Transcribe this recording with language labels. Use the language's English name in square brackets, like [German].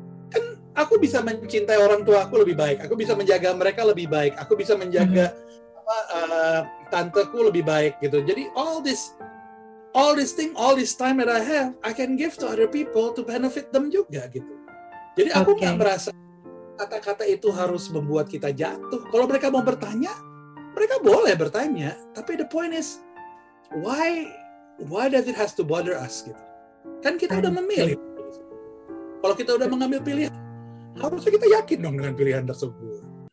[Indonesian] Kan aku bisa mencintai orang tua aku lebih baik, aku bisa menjaga mereka lebih baik, aku bisa menjaga tanteku lebih baik gitu. Jadi [English] all this time that I have, I can give to other people to benefit them [Indonesian] juga gitu. Jadi aku nggak merasa kata-kata itu harus membuat kita jatuh. Kalau mereka mau bertanya, mereka boleh bertanya. Tapi [English] the point is, why does it has to bother us [Indonesian] gitu? Kan kita udah memilih. Kalau kita udah mengambil pilihan, harusnya kita yakin dong dengan pilihan tersebut.